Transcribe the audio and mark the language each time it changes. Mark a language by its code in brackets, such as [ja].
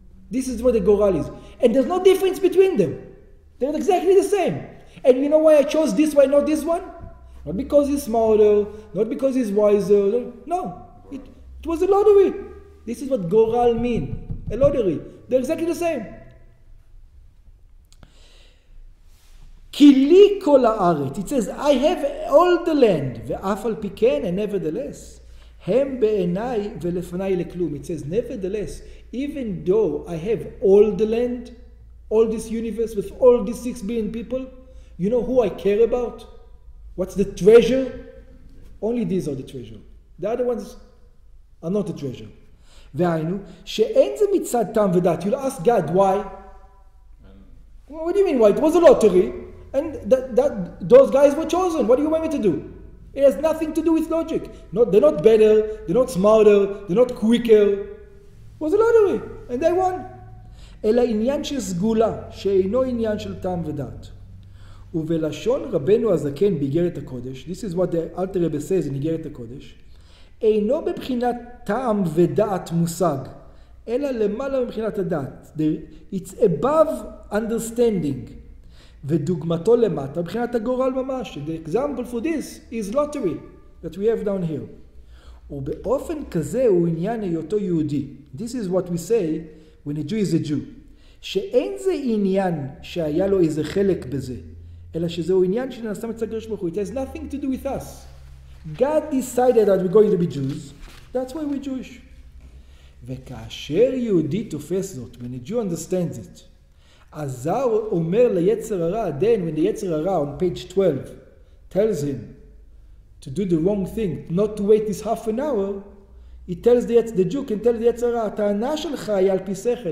[en] This is what the goral is. And there's no difference between them. They're exactly the same. And you know why I chose this one, not this one? Not because he's smarter, not because he's wiser. No, it was a lottery. This is what goral mean, a lottery. They're exactly the same. [he] כי לי כל הארץ, [en] it says, I have all the land, [he] ואף על פי כן, [en] and nevertheless, [he] הם בעיניי ולפניי לכלום. [en] It says, nevertheless, even though I have all the land, all this universe with all these 6 billion people, you know who I care about? What's the treasure? Only these are the treasure. The other ones are not the treasure. [he] והיינו, שאין זה מצד טעם ודעת. [en] You'll ask God, why? Well, what do you mean, why? It was a lottery. And those guys were chosen. What do you want me to do? It has nothing to do with logic. They're not better. They're not smarter. They're not quicker. It was a lottery. And they won. [he] אלא עניין של סגולה, שאינו עניין של טעם ודעת. ובלשון רבנו הזקן באיגרת הקודש, [en] this is what the Alter Rebbe says in [he] איגרת הקודש, אינו בבחינת טעם ודעת מושג, אלא למעלה מבחינת הדעת. [en] It's above understanding. [he] ודוגמתו למטה, מבחינת הגורל ממש. [en] The example for this is lottery that we have down here. [he] ובאופן כזה הוא עניין היותו יהודי. [en] This is what we say when a Jew is a Jew. [he] שאין זה עניין שהיה לו איזה חלק בזה, אלא שזהו עניין שנעשה מצד הקדוש ברוך הוא. [en] It has nothing to do with us. God decided that we're going to be Jews. That's why we're Jewish. [he] וכאשר יהודי תופס זאת, [en] when a Jew understands it, [he] עזר אומר ליצר הרע, [en] then when the יצר הרע on page 12 tells him to do the wrong thing, not to wait this half an hour, he tells the Jew can tell the יצר הרע, [he] הטענה שלך היא על פי שכל.